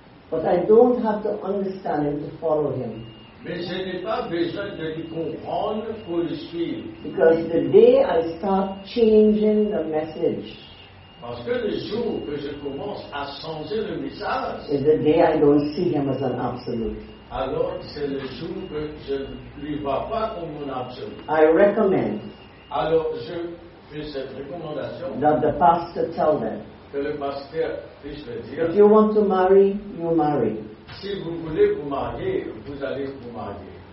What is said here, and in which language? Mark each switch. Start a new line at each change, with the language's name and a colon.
English: But I don't have to understand him to follow him.
French: Mais je n'ai pas besoin de lui comprendre pour le suivre.
English: Because the day I start changing the message.
French: Parce que le jour que je commence à changer le message.
English: Is the day I don't see him as an absolute.
French: Alors c'est le jour que je ne lui vois pas comme un absolu.
English: I recommend.
French: Alors je fais cette recommandation.
English: That the pastor tell them.
French: Que le pasteur puisse le dire.
English: If you want to marry, you marry.
French: Si vous voulez vous marier, vous allez vous marier.